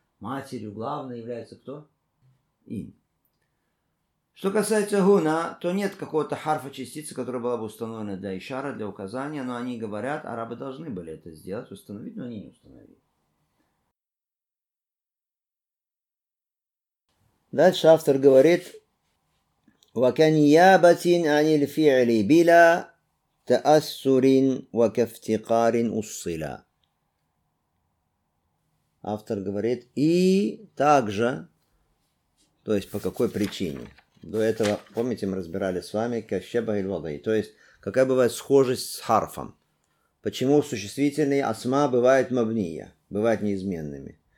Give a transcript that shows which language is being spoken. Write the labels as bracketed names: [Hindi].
[Russian] Матерью главной является кто? Ин. Что касается гуна, то нет какого-то харфа частицы, которая была бы установлена для ишара, для указания, но они говорят, арабы должны были это сделать, установить, но они не установили. Дальше автор говорит: [Arabic] وكنيابةٍ عن الفعل بلا تأثرٍ وكافتقارٍ الصلة. [Russian] Автор говорит: и также, то есть по какой причине? До этого, помните, мы разбирали с вами кащеба и львады. То есть, какая бывает схожесть с харфом? Почему существительные асма бывают мабния, бывают неизменными?